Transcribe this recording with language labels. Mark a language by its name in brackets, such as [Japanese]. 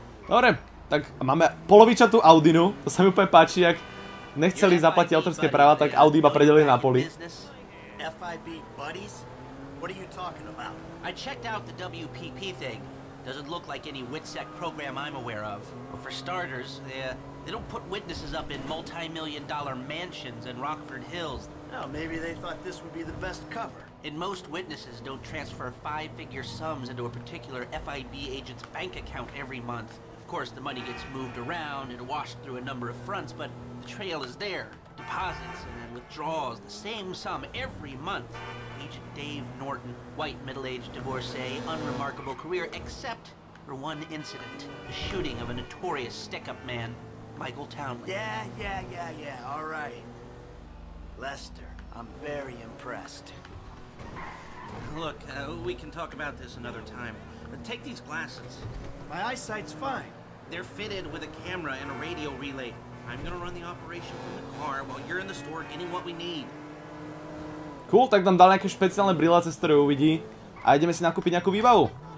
[Slovak] Dobre, tak máme polovičatú tú Audinu, to sa mi úplne páči, ak nechceli zaplatiť autorské práva, tak Audi iba predelili na poli. [English] FIB buddies? What are you talking about? I checked out the WPP thing. Doesn't look like any WITSEC program I'm aware of. But for starters, they don't put witnesses up in multi-million dollar mansions in Rockford Hills. No, maybe they thought this would be the best cover. And most witnesses don't transfer five-figure sums into a particular FIB agent's bank account every month. Of course, the money gets moved around and washed through a number of fronts, but the trail is there. Deposits and then withdrawals, the same sum every month. Agent Dave Norton, white, middle-aged divorcee, unremarkable career, except for one incident. The shooting of a notorious stick-up man, Michael Townley. Yeah, all right. Lester, I'm very impressed. Look, we can talk about this another time. Take these glasses. My eyesight's fine. They're fitted with a camera and a radio relay. I'm gonna run the operation from the car while you're in the store getting what we need. [Slovak] Cool, tak tam dal nejaké špeciálne brýle, cez ktoré uvidí. A ideme si nakúpiť nejakú výbavu.